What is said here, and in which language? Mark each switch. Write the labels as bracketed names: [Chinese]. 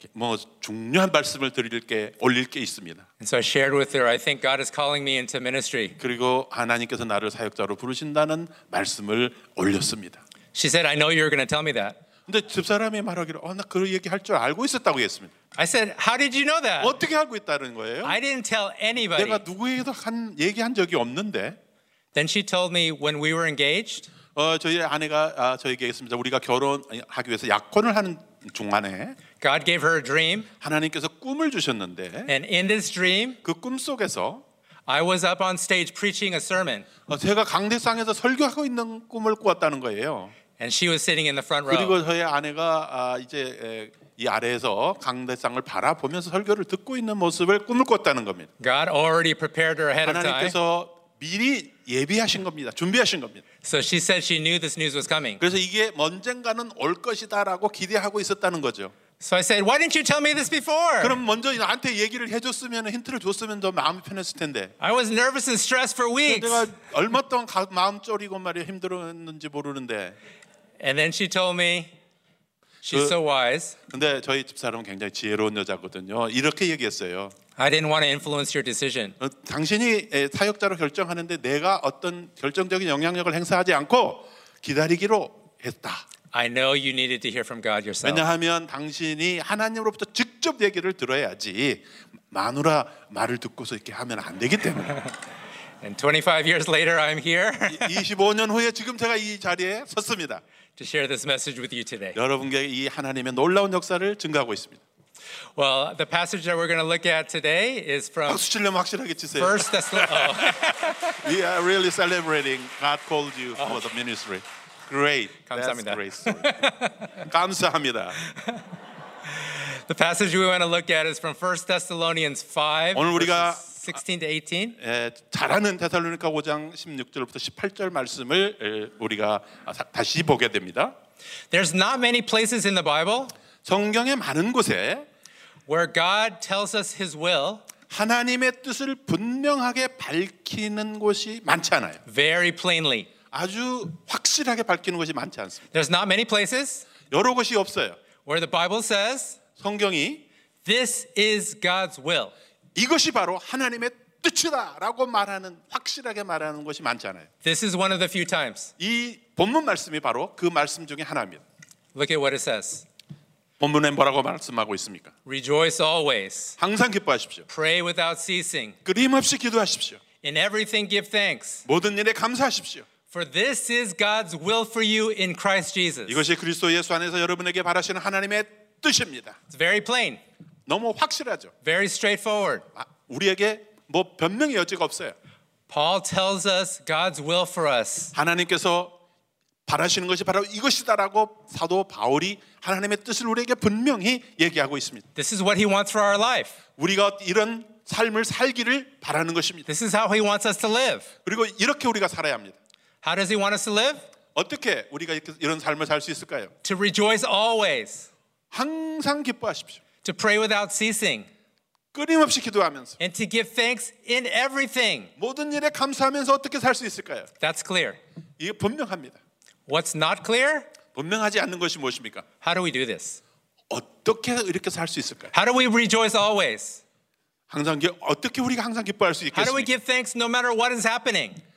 [Korean] 뭐 중요한 말씀을 드릴 게 올릴 게 있습니다. [English] And so I shared with her. I think God is calling me into ministry. [Korean] 그리고 하나님께서 나를 사역자로 부르신다는 말씀을 올렸습니다. [English] She said, I know you're going to tell me that. [Korean] 근데 집사람이 말하기를, 나 그 얘기 할 줄 알고 있었다고 했습니다. [English] I said, How did you know that? [Korean] 어떻게 알고 있다는 거예요? [English] I didn't tell anybody. [Korean] 내가 누구에게도 얘기한 적이 없는데. [English] Then she told me when we were engaged. [Korean] 저희 아내가 저에게 했습니다. 우리가 결혼하기 위해서 약혼을 하는 중간에 [English] God gave her a dream. [Korean] 하나님께서 꿈을 주셨는데 [English] And in this dream [Korean] 그 꿈속에서 [English] I was up on stage preaching a sermon. [Korean] 제가 강대상에서 설교하고 있는 꿈을 꾸었다는 거예요. [English] And she was sitting in the front row. [Korean] 그리고 저희 아내가 이제 이 아래에서 강대상을 바라보면서 설교를 듣고 있는 모습을 꿈을 꿨다는 겁니다. [English] God already prepared her ahead of time. [Korean] 하나님께서 미리 예비하신 겁니다. 준비하신 겁니다. [English] So she said she knew this news was coming. [Korean] 그래서 이게 언젠가는 올 것이다라고 기대하고 있었다는 거죠. [English] So I said, why didn't you tell me this before? [Korean] 그럼 먼저 나한테 얘기를 해줬으면 힌트를 줬으면 더 마음이 편했을 텐데. [English] I was nervous and stressed for weeks. [Korean] 내가 얼마 동안 마음 졸이고 말이야 힘들었는지 모르는데. [English] And then she told me, she's so wise. [Korean] 근데 저희 집사람은 굉장히 지혜로운 여자거든요. 이렇게 얘기했어요. [English] I didn't want to influence your decision. [Korean] 당신이 사역자로 결정하는데 내가 어떤 결정적인 영향력을 행사하지 않고 기다리기로 했다. [English] I know you needed to hear from God yourself. [Korean] 왜냐하면 당신이 하나님으로부터 직접 얘기를 들어야지 마누라 말을 듣고서 이렇게 하면 안 되기 때문에. [English] And 25 years later, I'm here. [Korean] 25년 후에 지금 제가 이 자리에 섰습니다. [English] To share this message with you today. [Korean] 여러분께 이 하나님의 놀라운 역사를 증거하고 있습니다. [English] Well, the passage that we're going to look at today is from [Korean] 박수 치려면 확실하게 치세요. [English] First Thessalonians. We are really celebrating God called you for the ministry. Great. [Korean] 감사합니다. [English] That's great. [Korean] 감사합니다. [English] The passage we want to look at is from 1 Thessalonians 5. [Korean] 오늘 우리가 [English] 16-18. [Korean] 잘하는 데살로니가 5장 16절부터 18절 말씀을 우리가 다시 보게 됩니다. [English] There's not many places in the Bible [Korean] 성경에 많은 곳에 [English] where God tells us His will [Korean] 하나님의 뜻을 분명하게 밝히는 곳이 많지 않아요. [English] Very plainly [Korean] 아주 확실하게 밝히는 곳이 많지 않습니다. [English] There's not many places [Korean] 여러 곳이 없어요. [English] where the Bible says [Korean] 성경이 [English] This is God's will [Korean] 이것이 바로 하나님의 뜻이다라고 말하는 확실하게 말하는 것이 많잖아요. [English] This is one of the few times. [Korean] 이 본문 말씀이 바로 그 말씀 중에 하나입니다. [English] Look at what it says. [Korean] 본문에 뭐라고 말씀하고 있습니까? [English] Rejoice always. [Korean] 항상 기뻐하십시오. [English] Pray without ceasing. [Korean] 끊임없이 기도하십시오. [English] In everything give thanks. [Korean] 모든 일에 감사하십시오. [English] For this is God's will for you in Christ Jesus. [Korean] 이것이 그리스도 예수 안에서 여러분에게 바라시는 하나님의 뜻입니다. [English] It's very plain. [Korean] 너무 확실하죠. [English] Very straightforward. [Korean] 우리에게 뭐 변명의 여지가 없어요. [English] Paul tells us God's will for us. [Korean] 하나님께서 바라시는 것이 바로 이것이다라고 사도 바울이 하나님의 뜻을 우리에게 분명히 얘기하고 있습니다. [English] This is what he wants for our life. [Korean] 우리가 이런 삶을 살기를 바라는 것입니다. [English] This is how he wants us to live. [Korean] 그리고 이렇게 우리가 살아야 합니다. [English] How does he want us to live? [Korean] 어떻게 우리가 이런 삶을 살 수 있을까요? [English] To rejoice always. [Korean] 항상 기뻐하십시오. [English] To pray without ceasing. [Korean] 끊임없이 기도하면서. [English] And to give thanks in everything. [Korean] 모든 일에 감사하면서 어떻게 살 수 있을까요? [English] That's clear. [Korean] 이게 분명합니다. [English] What's not clear? [Korean] 분명하지 않는 것이 무엇입니까? [English] How do we do this? [Korean] 어떻게 이렇게 살 수 있을까요? [English] How do we rejoice always? [Korean] 항상 어떻게 우리가 항상 기뻐할 수 있겠습니까? [English] How do we give thanks no matter what is happening?